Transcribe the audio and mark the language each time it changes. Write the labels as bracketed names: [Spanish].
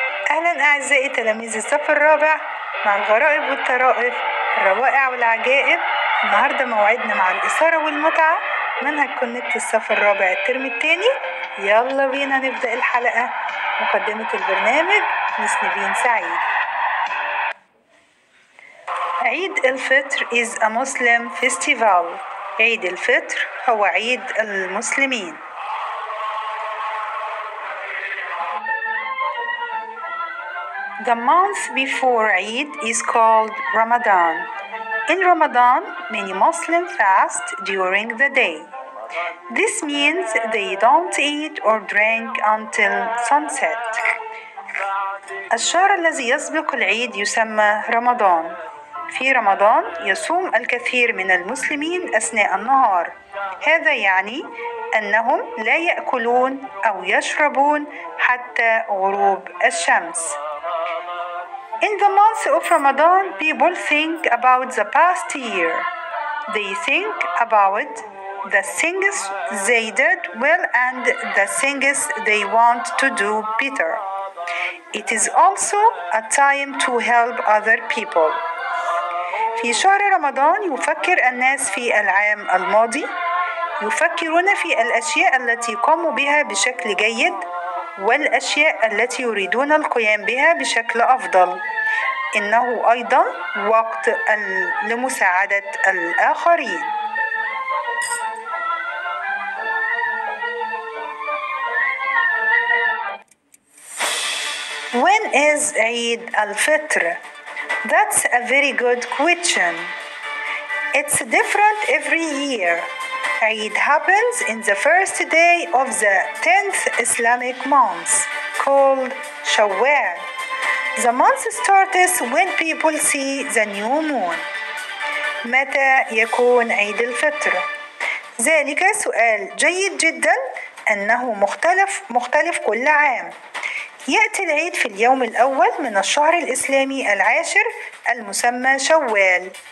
[Arabic] أهلا أعزائي تلاميذ الصف الرابع مع الغرائب والطرائف الروائع والعجائب. النهاردة موعدنا مع الإثارة والمتعة منهج كونكت الصف الرابع الترم الثاني. يلا بينا نبدأ الحلقة. مقدمة البرنامج مس نيفين سعيد. [English] عيد الفطر is a Muslim festival. [Arabic] عيد الفطر هو عيد المسلمين. [English] The month before Eid is called Ramadan. In Ramadan, many Muslims fast during the day. This means they don't eat or drink until sunset. [Arabic] الشهر الذي يسبق العيد يسمى رمضان. في رمضان يصوم الكثير من المسلمين أثناء النهار. هذا يعني أنهم لا يأكلون أو يشربون حتى غروب الشمس. [English] In the month of Ramadan, people think about the past year. They think about the things they did well and the things they want to do better. It is also a time to help other people. [Arabic] في شهر رمضان يفكر الناس في العام الماضي. يفكرون في الأشياء التي قاموا بها بشكل جيد والأشياء التي يريدون القيام بها بشكل أفضل. إنه أيضاً وقت لمساعدة الآخرين. [English] When is عيد الفطر؟ That's a very good question. It's different every year. عيد happens in the first day of the 10th Islamic month called شوال. The month starts when people see the new moon. [Arabic] متى يكون عيد الفطر؟ ذلك سؤال جيد جدا. أنه مختلف كل عام. يأتي العيد في اليوم الأول من الشهر الإسلامي العاشر المسمى شوال.